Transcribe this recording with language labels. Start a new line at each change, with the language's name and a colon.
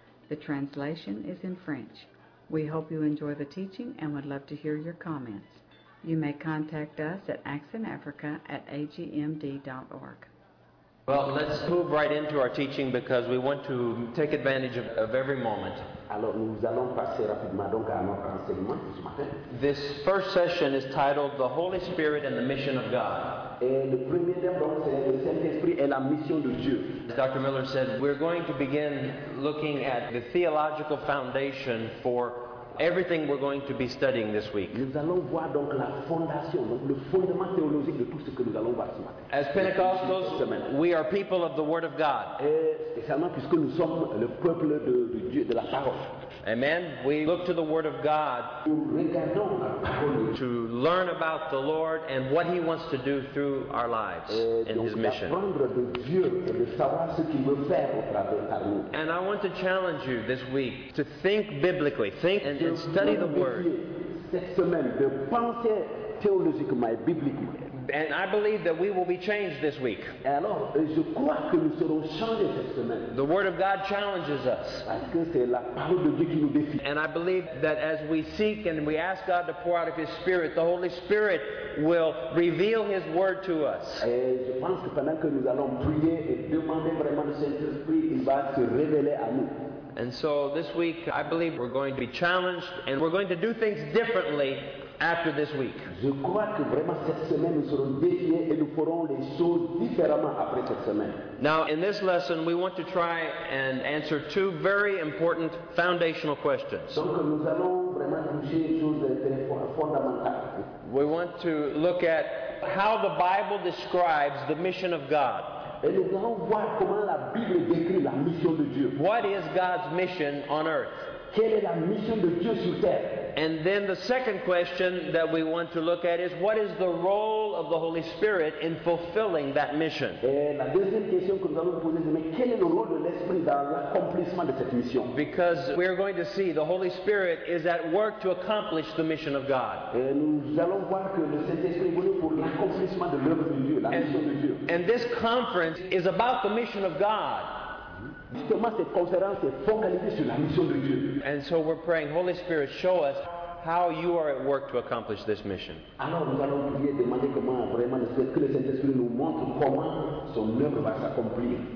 English: The translation is in French. We hope you enjoy the teaching and would love to hear your comments. You may contact us at actsinafrica@agmd.org. Well, let's move right into our teaching because we want to take advantage of every moment.
French: Alors, nous allons passer rapidement donc à notre enseignement ce matin.
English: This first session is titled The Holy Spirit and the Mission of God.
French: Et le premier thème donc, c'est le Saint-Esprit et la mission de Dieu.
English: As Dr. Miller said, we're going to begin looking at the theological foundation for everything we're going to be studying this week.
French: Nous allons voir donc la fondation, donc le fondement théologique de tout ce que nous allons voir ce matin.
English: As Pentecostals, we are people of the Word of God.
French: Et spécialement puisque nous sommes le peuple de Dieu, de la parole.
English: Amen. We look to the Word of God.
French: Nous regardons la parole.
English: To learn about the Lord and what He wants to do through our lives and His mission.
French: D'apprendre de Dieu et de savoir ce qu'il veut faire au travers par nous.
English: And I want to challenge you this week to think biblically. Think and study the Word.
French: Cette semaine, de penser théologiquement et bibliquement.
English: And I believe that we will be changed this week.
French: Alors, je crois que nous serons changés cette semaine.
English: The Word of God challenges us.
French: Parce que c'est la parole de Dieu qui nous défie.
English: And I believe that as we seek and we ask God to pour out of His Spirit, the Holy Spirit will reveal His Word to us.
French: Et je pense que pendant que nous allons prier et demander vraiment le Saint-Esprit, il va se révéler à nous.
English: And so this week, I believe we're going to be challenged and we're going to do things differently after this week.
French: Je crois que vraiment cette semaine, nous serons défiés et nous ferons les choses différemment après cette semaine.
English: Now, in this lesson, we want to try and answer two very important foundational questions.
French: Donc, nous allons vraiment toucher les choses fondamentales.
English: We want to look at how the Bible describes the mission of God.
French: Et nous allons voir comment la Bible décrit la mission de Dieu.
English: What is God's mission on earth?
French: Quelle est la mission de Dieu sur terre?
English: And then the second question that we want to look at is what is the role of the Holy Spirit in fulfilling that mission?
French: Et la deuxième question que nous allons poser, c'est mais quel est le rôle de l'Esprit dans l'accomplissement de cette mission?
English: Because we are going to see the Holy Spirit is at work to accomplish the mission of God.
French: Et nous allons voir que le Saint-Esprit est venu pour l'accomplissement de l'œuvre de Dieu, la mission de Dieu.
English: And this conference is about the mission of God.
French: Justement, cette conférence est focalisée sur la mission de Dieu.
English: And so we're praying, Holy Spirit, show us how you are at work to accomplish this mission.
French: Alors, nous allons prier, demander comment vraiment que le Saint-Esprit nous montre comment son œuvre va s'accomplir.